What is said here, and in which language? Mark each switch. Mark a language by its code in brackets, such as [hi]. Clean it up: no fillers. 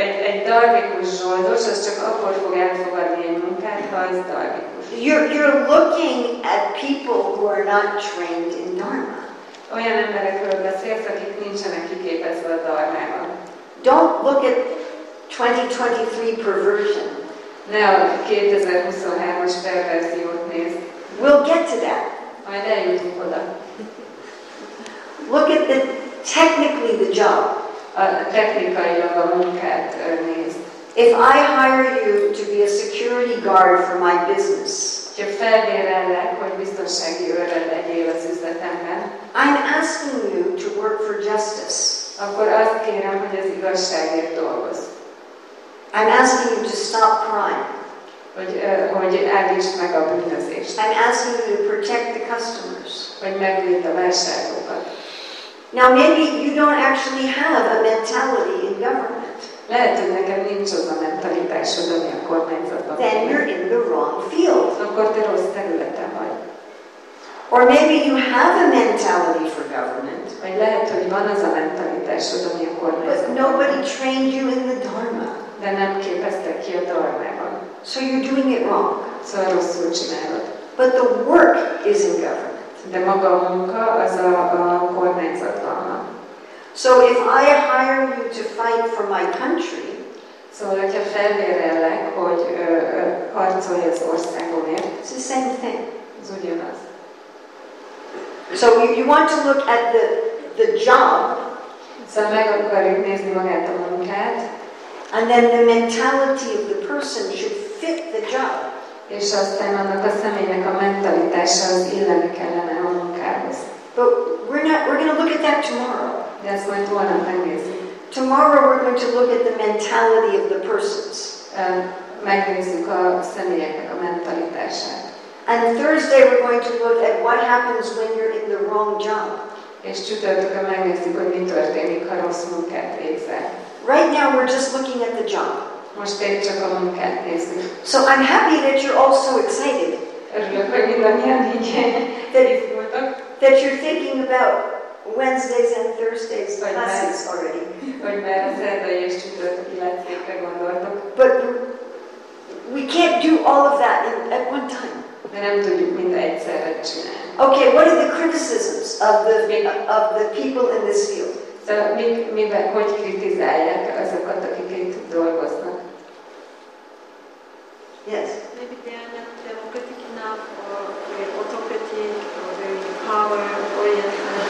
[hu] Egy dharmikus zsoldos, az csak akkor fog elfogadni egy munkát, ha ez dharmikus. [en] You're looking at people who are not trained in dharma. [hu] Olyan emberekről beszélsz, akik nincsenek kiképezve a dharmában. [en] Don't look at 2023 perversion. [hu] Ne a 2023-as perverziót nézd. [en] We'll get to that. [hu] Majd eljutunk oda. [en] Look at the technically the job. [hu] A technikailag a munkát nézd. [en] If I hire you to be a security guard for my business, [hu] ha felvérellek, hogy biztonsági őre legyél az üzletemben, [en] I'm asking you to work for justice. [hu] Akkor azt kérem, hogy az igazságért dolgozz. [en] I'm asking you to stop crime. [hu] Hogy állítsd meg a bűnözést. [en] I'm asking you to protect the customers. [hu] Hogy megvédd a vásárlókat. [en] Now maybe you don't actually have a mentality in government. [hu] Lehet, hogy nekem nincs az a mentalitásod, ami a kormányzatban. [en] Then you're in the wrong field. [hu] Akkor te rossz területen vagy. [en] Or maybe you have a mentality for government. [hu] Vagy lehet, hogy van az a mentalitásod, ami a kormányzatban. [en] But nobody trained you in the dharma. [hu] De nem képeztek ki a dharmában. [en] So you're doing it wrong. [hu] Szóval rosszul csinálod. [en] But the work is in government. [hu] De maga a munka az a kormányzatban. [en] So if I hire you to fight for my country, [hu] szóval, hogyha felvérellek, hogy harcolj az országomért, [en] it's the same thing. [hu] Ez ugyanaz. [en] So you want to look at the job, [hu] szóval meg akarjuk nézni magát a munkát, [en] and then the mentality of the person should fit the job. [hu] És aztán annak a személynek a mentalitása az illeni kellene a munkához. [en] But we're going to look at that tomorrow. [hu] De ezt majd holnap megnézzük. [en] Tomorrow we're going to look at the mentality of the persons. [hu] Megnézzük a személyeknek a mentalitását. [en] And Thursday we're going to look at what happens when you're in the wrong job. [hu] És csütörtökön megnézzük, hogy mi történik, ha rossz munkát végzel. [en] Right now we're just looking at the job. [hu] Most épp csak a munkát nézzük. [en] So I'm happy that you're all so excited. [hu] Örülök, hogy mindannyian így elfogultak. [en] That you're thinking about Wednesdays and Thursdays classes already. [hu] Hogy már a szerdai és csütörtöki lecsékre gondoltok. [en] But we can't do all of that at one time. [hu] De nem tudjuk mind egyszerre csinálni. [en] Okay, what are the criticisms of the people in this field? [hu] So, mivel hogy kritizálják azokat, akik itt dolgoznak? [en] Yes. Maybe they are not democratic enough, or autocratic, or very power-oriented.